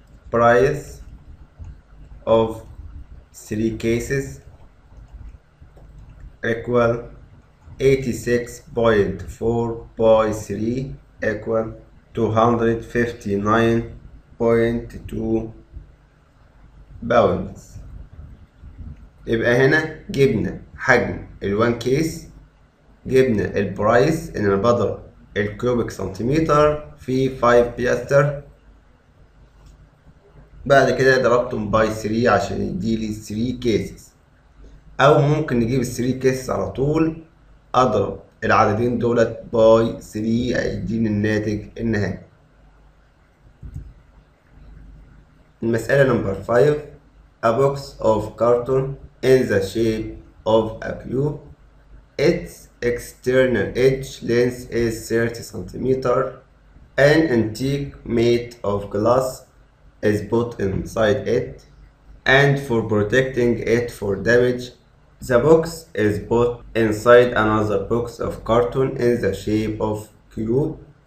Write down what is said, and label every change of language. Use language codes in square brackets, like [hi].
[en] Price of 3 cases equal 86.4 by 3 equal 259.2 pounds. [ar] يبقى هنا جبنا حجم الوان كيس، جبنا البرايس ان انا بضرب الكوبيك سنتيمتر في 5 بيستر، بعد كده ضربتهم باي 3 عشان يديلي 3 كيسز، او ممكن نجيب 3 كيسز على طول اضرب العددين دولت باي 3 هيديني الناتج النهائي. المسألة نمبر 5، [en] a box of carton in the shape of a cube. Its external edge length is 30 cm. An antique made of glass is put inside it, and for protecting it for damage, the box is put inside another box of carton in the shape of cube.